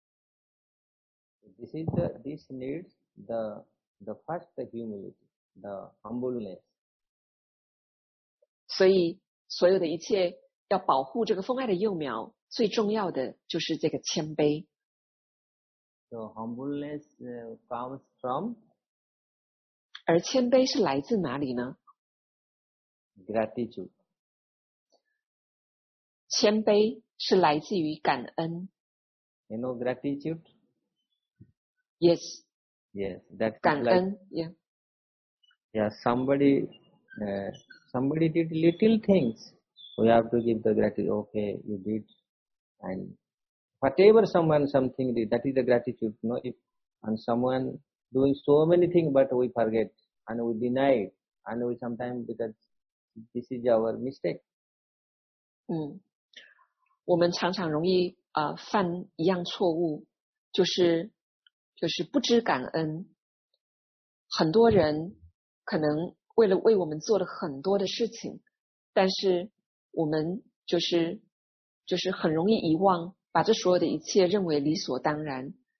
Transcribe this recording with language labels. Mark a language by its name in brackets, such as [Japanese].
[English] is the, this needs the first humility, the humbleness. [Chinese] 所以所有的一切。要保护这个奉爱的幼苗，最重要的就是这个谦卑。 [English] So humbleness comes from. [Chinese] 而谦卑是来自哪里呢？ [English] Gratitude. [Chinese] 谦卑是来自于感恩。 [English] You know gratitude? Yes. Yes, that [Chinese] 感恩。 [English] like, Yeah. Yeah, somebody did little things. We have to give the gratitude, okay, you did. And whatever someone something did, that is the gratitude. You know, if and someone doing so many things, but we forget and we deny it. And we sometimes, because this is our mistake. [Chinese] 我们常常容易犯一样错误，就是不知感恩。很多人可能为了为我们做了很多的事情，但是我们就是很容易遗忘，把这所有的一切认为理所当然。